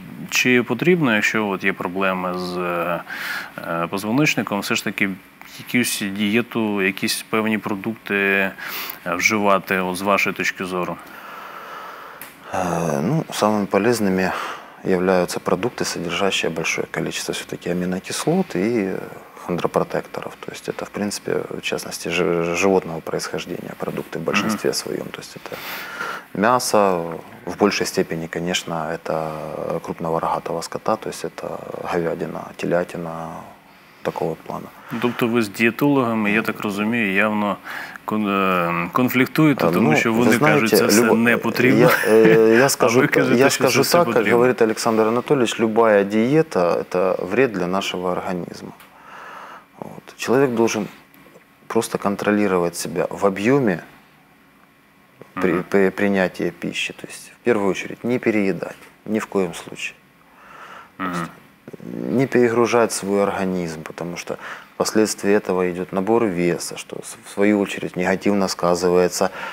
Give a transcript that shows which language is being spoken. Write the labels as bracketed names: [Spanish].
[Ukrainian] Чи потрібно, якщо от є проблеми з позвоночником, все ж таки якусь дієту, якісь певні продукти вживати от, з вашої точки зору? [Russian] Ну, самыми полезными являются продукты, содержащие большое количество все-таки аминокислот и хондропротекторов. То есть это, в принципе, в частности, животного происхождения продукты в большинстве своем. То есть это мясо, в большей степени, конечно, это крупного рогатого скота, то есть это говядина, телятина, такого плана. [Ukrainian] Тобто ви з дієтологами, я так розумію, явно конфліктуєте, тому що вони кажуть, це все не потрібно. Я скажу так, як говорить Олександр Анатолійович, любая дієта – це вред для нашого організму. Чоловік має просто контролювати себе в об'ємі прийняття пищі. Тобто, в першу чергу, не переїдати, ні в коїм випадку. [Russian] Не перегружать свой организм, потому что впоследствии этого идет набор веса, что в свою очередь негативно сказывается